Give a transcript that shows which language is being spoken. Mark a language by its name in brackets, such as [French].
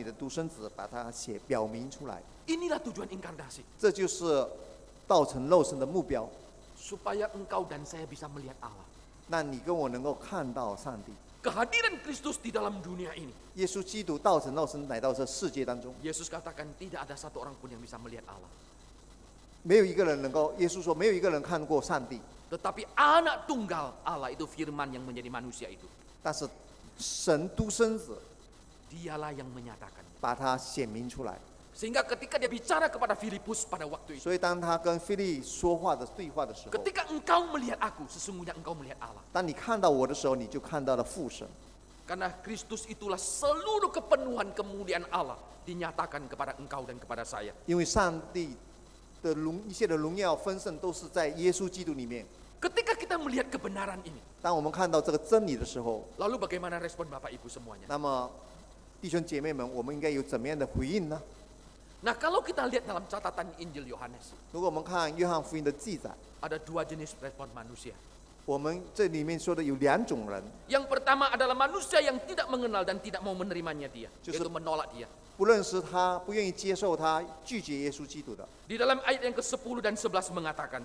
[Chinese] 从来没有人看见神，只有在父怀里的独生子把它写表明出来。 [Indonesian] Inilah tujuan inkarnasi. [Chinese] 这就是道成肉身的目标。 [Indonesian] Supaya engkau dan saya bisa melihat Allah. [Chinese] 那你跟我能够看到上帝。 [Indonesian] Kehadiran Kristus di dalam dunia ini. [Chinese] 耶稣基督道成肉身来到这世界当中。 [Indonesian] Yesus katakan tidak ada satu orang pun yang bisa melihat Allah. [Chinese] 没有一个人能够，耶稣说，没有一个人看过上帝。 [Indonesian] Tetapi anak tunggal Allah itu firman yang menjadi manusia itu. [Chinese] 但是神独生子, [Indonesian] dialah yang menyatakan. [Chinese] 把它显明出来。 [Indonesian] Sehingga ketika dia bicara kepada Filipus pada waktu itu. [Chinese] 所以当他跟腓力说话的对话的时候。 [Indonesian] Ketika engkau melihat aku, sesungguhnya engkau melihat Allah. [Chinese] 当你看到我的时候，你就看到了父神。 [Indonesian] Karena Kristus itulah seluruh kepenuhan kemuliaan Allah dinyatakan kepada engkau dan kepada saya. [Chinese] 因为上帝 的荣一切的荣耀分盛都是在耶稣基督里面。 [Indonesian] Ketika kita melihat kebenaran ini, [Chinese] 当我们看到这个真理的时候, [Indonesian] lalu bagaimana respon Bapak Ibu semuanya? [Chinese] 那么弟兄姐妹们，我们应该有怎么样的回应呢？ [Indonesian] Nah, kalau kita lihat dalam catatan Injil Yohanes, ada dua jenis respon manusia. Yang pertama adalah manusia yang tidak mengenal dan tidak mau menerimanya dia, yaitu menolak dia. [Chinese] 不认识他，不愿意接受他，拒绝耶稣基督的。 [Indonesian] Di dalam ayat yang ke-10 dan 11 mengatakan,